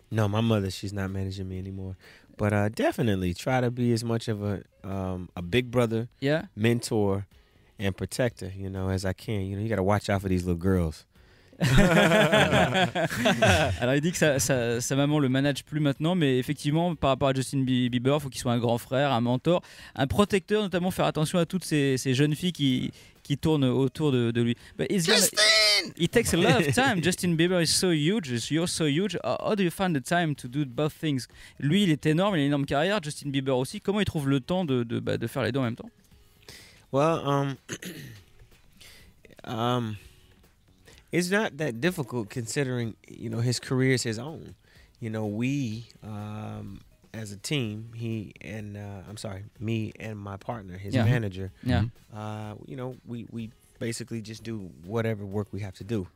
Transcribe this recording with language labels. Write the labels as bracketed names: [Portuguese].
[English] No, my mother, she's not managing me anymore. But definitely try to be as much of a big brother, mentor, and protector, you know, as I can. You know, you got to watch out for these little girls. [French] Alors il dit que sa maman le manage plus maintenant, mais effectivement par rapport à Justin Bieber, il faut qu'il soit un grand frère, un mentor, un protecteur, notamment faire attention à toutes ces jeunes filles qui tournent autour de lui. [English] But Justin, it takes a lot of time. Justin Bieber is so huge, you're so huge. How do you find the time to do both things? [French] Lui il est énorme, il a une énorme carrière. Justin Bieber aussi, comment il trouve le temps de faire les deux en même temps? [English] Well, it's not that difficult considering, you know, his career is his own. You know, we, as a team, he and, I'm sorry, me and my partner, his manager, you know, we basically just do whatever work we have to do.